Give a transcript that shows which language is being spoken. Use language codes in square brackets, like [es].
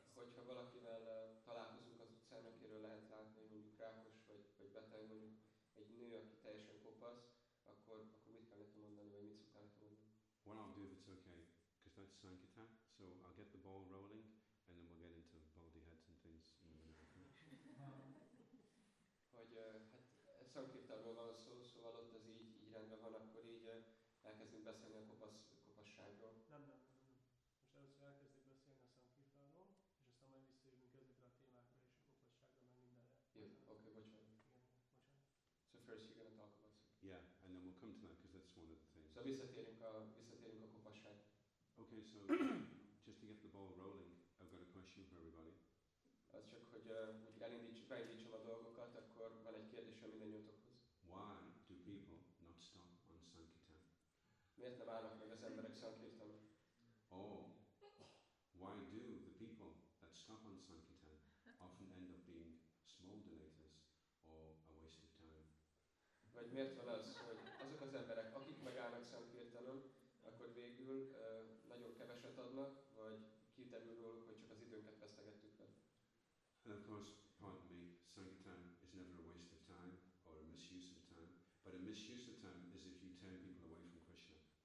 [hu] Hogyha valakivel találkozunk az utcán, akiről lehet látni, hogy mondjuk rákos vagy beteg, mondjuk egy nő, aki teljesen kopasz, akkor mit kell neki mondani, vagy mit szoktál neki mondani? [en] What I'll do if it's okay, because that's Sankirtan, so I'll get the ball rolling and then we'll get into baldy heads and things. [hu] Hogy hát Sankirtanról van szó, szóval ott az így rendben van, akkor így elkezdünk beszélni a kopasságról. Nem. Most először elkezdik beszélni a Sankirtanról, és aztán majd visszajövünk ezekre a témákra és a kopasságra, meg mindenre. Jó, oké, bocsánat. [en] So first you're going to talk about it. Yeah, and then we'll come to that, because that's one of the things. [hu] So visszatérünk a kopasság. [en] Okay, so just to get the ball rolling, I've got a question for everybody. [hu] Az csak, hogy beindítsam a dolgokat, akkor van egy kérdésem mindannyiótokhoz. [en] Why do people not stop on Sankirtan? [hu] Miért nem állnak meg az emberek Sankirtan? [en] Oh, why do the people that stop on Sankirtan often end up being small donators or a waste of time? [hu] Vagy miért van az, hogy azok az emberek, akik megállnak Sankirtanon, akkor végül nagyon keveset adnak, vagy kiderül róluk, hogy csak az időnket vesztegettük vele? [en] And of course, pardon me, Sankirtan is never a waste of time or a misuse of time, but a misuse of time is if you turn people away from Krishna.